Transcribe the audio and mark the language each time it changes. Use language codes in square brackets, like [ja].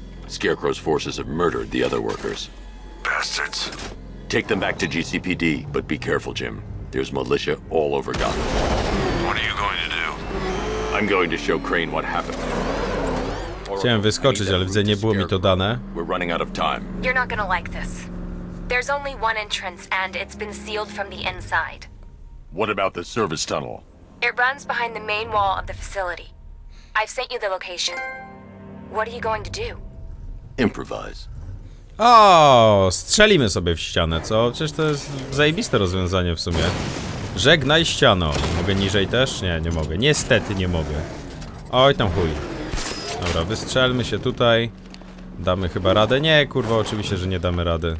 [en] Scarecrow's forces have murdered the other workers. Bastards. Take them back to GCPD, but be careful, Jim. There's militia all over Gotham. What are you going to do? I'm going to show Crane what happened. [pl] Chciałem wyskoczyć, ale widzę, nie było mi to dane. [en] We're running out of time. You're not gonna like this. There's only one entrance, and it's been sealed from the inside. What about the service tunnel? It runs behind the main wall of the facility. I've sent you the location. What are you going to do? Improvise. [pl] O, strzelimy sobie w ścianę, co? Przecież to jest zajebiste rozwiązanie w sumie. Żegnaj ściano. Mogę niżej też? Nie, nie mogę. Niestety nie mogę. Oj, tam chuj. Dobra, wystrzelmy się tutaj. Damy chyba radę? Nie, kurwa, oczywiście, że nie damy rady.